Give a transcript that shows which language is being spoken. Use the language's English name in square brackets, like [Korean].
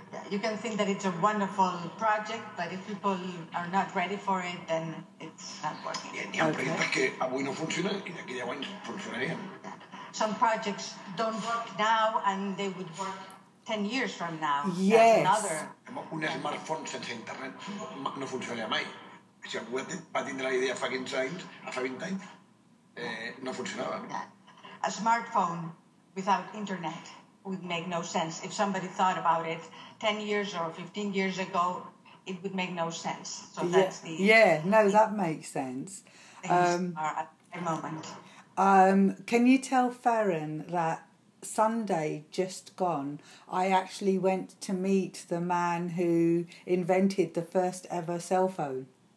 [English] You can think that it's a wonderful project, but if people are not ready for it, then it's not working. [Catalan] Hi ha projectes que avui no funcionen i d'aquí 10 anys funcionarien. Some projects don't work now and they would work 10 years from now. Yes. Un smartphone sense internet no funcionaria mai. Si algú va tindre la idea fa 15 anys, fa 20 anys, no funcionava. [English] A smartphone without internet would make no sense. If somebody thought about it 10 years or 15 years ago, it would make no sense. So that's that makes sense. At the moment. Can you tell Farron that Sunday just gone, I actually went to meet the man who invented the first ever cell phone?